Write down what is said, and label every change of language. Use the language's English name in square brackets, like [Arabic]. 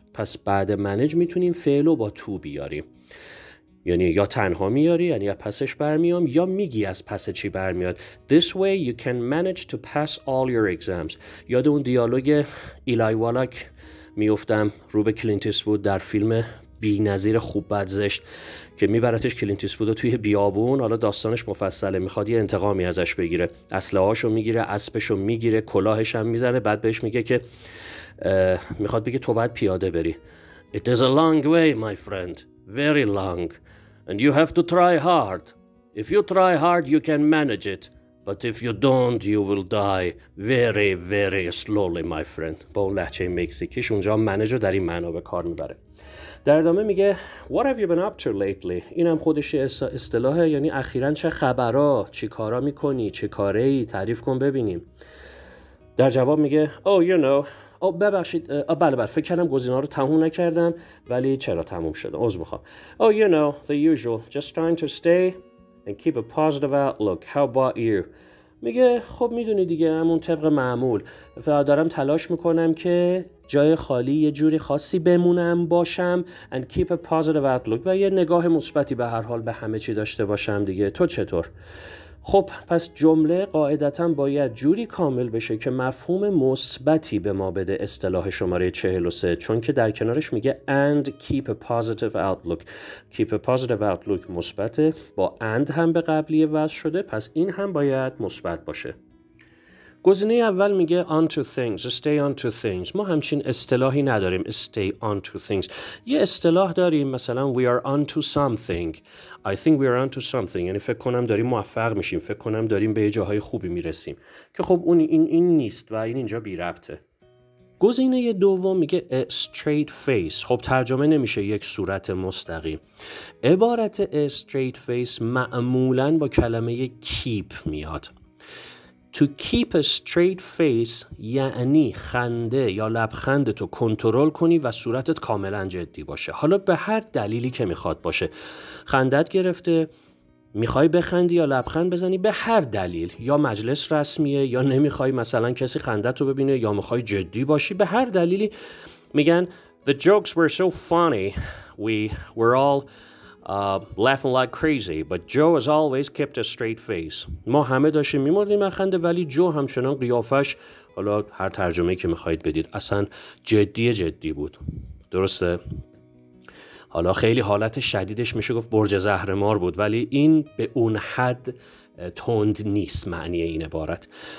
[Persian] پس بعد منیج میتونیم فعل رو با تو بیاریم. یعنی یا تنها میاری، یعنی از پسش برمیام، یا میگی از پس چی برمیاد. [English] This way you can manage to pass all your exams. [Persian] یاد اون دیالوگ ایلای والاک میفتم رو به کلینت ایستوود در فیلم بی نظیر خوب بد زشت، که میبرتش کلینت ایستوود رو توی بیابون، حالا داستانش مفصله، میخواد یه انتقامی ازش بگیره، اسلحه‌هاشو میگیره، اسبشو میگیره، کلاهش هم میزنه، بعد بهش میگه که میخواد بگه تو باید پیاده بری. [English] It is a long way my friend. Very long. And you have to try hard. If you try hard, you can manage it. But if you don't, you will die very, very slowly, my friend. [Persian] با اون لحچه مکسیکیش اونجا منیجر در این معنا به کار میبره. در ادامه میگه [English] What have you been up to lately? [Persian] اینم خودش اصطلاحه، یعنی اخیراً چه خبرها، چی کارا میکنی، چه کاره ای، تعریف کن ببینیم. در جواب میگه [English] Oh, you know. [Persian] او ببخشید، بله بله، فکر کردم گزینه رو تموم نکردم، ولی چرا تموم شد؟ عذر میخوام. [English] Oh, you know, the usual. Just trying to stay and keep a positive outlook. How about you? [Persian] میگه خب میدونی دیگه، همون طبق معمول و دارم تلاش میکنم که جای خالی یه جوری خاصی بمونم باشم، [English] and keep a positive outlook، [Persian] و یه نگاه مثبتی به هر حال به همه چی داشته باشم دیگه. تو چطور؟ خب پس جمله قاعدتا باید جوری کامل بشه که مفهوم مثبتی به ما بده اصطلاح شماره 43، چون که در کنارش میگه [English] and keep a positive outlook. keep a positive outlook [Persian] مثبته، با and هم به قبلی وضع شده، پس این هم باید مثبت باشه. گزینه اول میگه onto things، [English] stay onto things. [Persian] ما همچین اصطلاحی نداریم، stay onto things. یه اصطلاح داریم مثلا [English] we are onto something. I think we are onto something. [Persian] یعنی فکر کنم داریم موفق میشیم، فکر کنم داریم به جاهای خوبی میرسیم. که خب اون این نیست و این اینجا بی ربطه. گزینه دوم میگه [English] a straight face. [Persian] خب ترجمه نمیشه یک صورت مستقیم. عبارت a straight face معمولا با کلمه keep میاد. [English] To keep a straight face [Persian] یعنی خنده یا لبخندت رو کنترل کنی و صورتت کاملا جدی باشه، حالا به هر دلیلی که میخواد باشه، خندت گرفته، میخوای بخندی یا لبخند بزنی به هر دلیل، یا مجلس رسمیه یا نمیخوای مثلا کسی خندت رو ببینه یا میخوای جدی باشی، به هر دلیلی میگن [English] The jokes were so funny we were all laughing like crazy, but Joe has always kept a straight face. [Persian] ما همه داشتیم میمردیم از خنده، ولی جو همچنان قیافش، حالا هر ترجمه که میخواید بدید، اصلا جدی جدی بود. درسته؟ حالا خیلی حالت شدیدش میشه گفت برج زهرمار بود، ولی این به اون حد تند نیست معنی این عبارت.